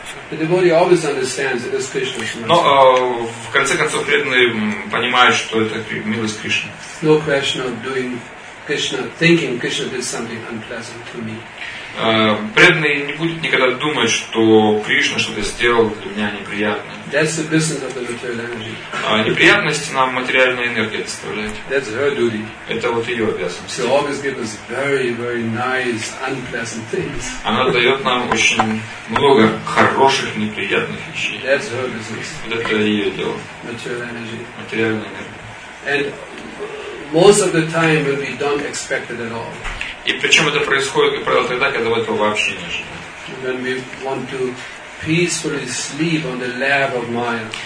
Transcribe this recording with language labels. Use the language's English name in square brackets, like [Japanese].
[English] The devotee always understands that it's Krishna's mercy. [Russian] Но в конце концов преданный понимает, что это милость Кришны. [English] No question of doing Krishna thinking Krishna did something unpleasant to me. [Russian] Преданный не будет никогда думать, что Кришна что-то сделал для меня неприятное. [English] That's the business of the material energy. [Russian] Неприятность нам материальная энергия доставляет. [English] That's her duty. [Russian] Это вот ее обязанность. [English] She always gives us very, very nice, unpleasant things. [Russian] Она дает нам очень много хороших, неприятных вещей. [English] That's her business. [Russian] Вот это ее дело. [English] Material energy. [Russian] Материальная энергия. [English] And most of the time when we don't expect it at all. [Russian] И причем это происходит, как правило, тогда, когда мы этого вообще не ожидаем.